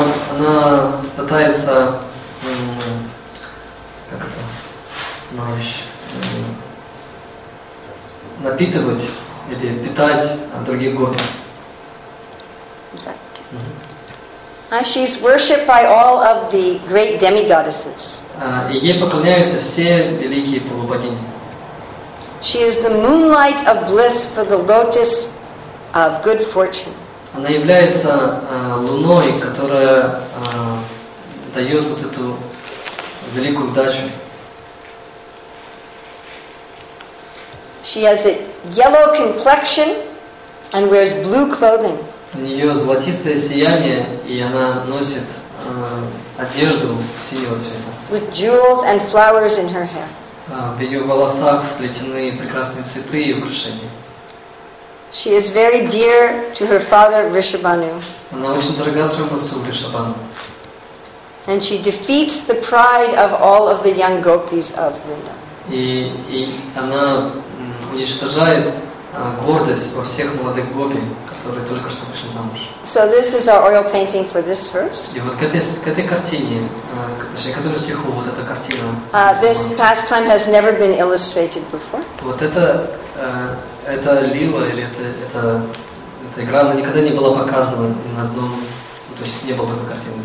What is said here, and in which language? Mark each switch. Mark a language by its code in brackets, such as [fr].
[ru] Она пытается как-то напитывать или питать других гопи. [en] She's worshipped by all of the great demigoddesses. [ru] И ей поклоняются все великие полубогини. [en] She is the moonlight of bliss for the lotus of good fortune. [ru] Она является луной, которая дает вот эту великую удачу. [en] She has a yellow complexion and wears blue clothing. [ru] У нее золотистое сияние, и она носит одежду синего цвета. [en] With jewels and flowers in her hair. [ru] В ее волосах вплетены прекрасные цветы и украшения. [en] She is very dear to her father Rishabhanu. [ru] Она очень дорога своему отцу Ришабану. [en] And she defeats the pride of all of the young gopis of Vrindavan. [ru] И она уничтожает гордость во всех молодых гопи, которые только что вышли замуж. [en] So this is our oil painting for this verse. [ru] И вот к этой картине, точнее, к этому стиху, вот эта картина. [en] This pastime has never been illustrated before. [ru] Вот это лила или эта игра, она никогда не была показана на одном, то есть не было такой картины.